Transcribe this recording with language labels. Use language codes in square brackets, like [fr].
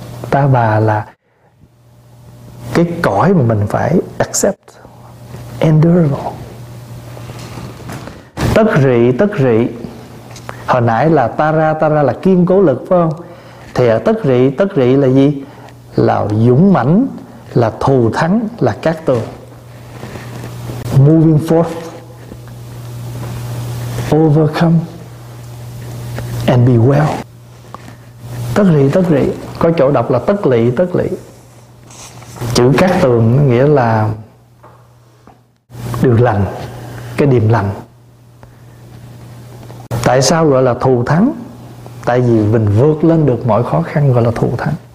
[vi] Ta bà là cái cõi mà mình phải [en] accept, endurable. [vi] Tất rị, tất rị. Hồi nãy là ta ra là kiên cố lực phải không? Thì tất rị là gì? Là dũng mãnh, là thù thắng, là cát tường. [en] Moving forth, overcome, and be well. [vi] Tất rị, có chỗ đọc là tất lị. Chữ cát tường nghĩa là điều lành, cái điềm lành. Tại sao gọi là thù thắng? Tại vì mình vượt lên được mọi khó khăn gọi là thù thắng.